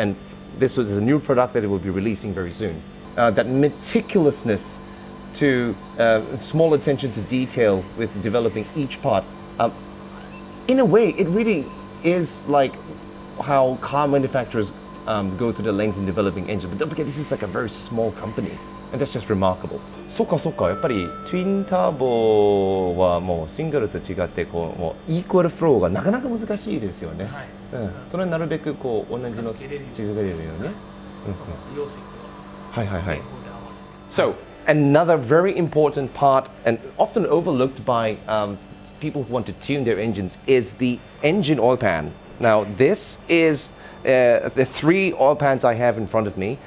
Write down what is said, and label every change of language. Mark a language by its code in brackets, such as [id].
[en] And this is a new product that it will be releasing very soon. That meticulousness to small attention to detail with developing each part, in a way, it really is like how car manufacturers go to the lengths in developing engine. But don't forget, this is like a very small company, and that's just remarkable. [ja] そっかそっか、やっぱりツインターボはもうシングルと違ってこうもうイークワルフローがなかなか難しいですよね。はい。うん。それなるべくこう同じの縮めれるように。はいはいはい。 [en] So another very important part and often overlooked by people who want to tune their engines is the engine oil pan. Now this is the three oil pans I have in front of me.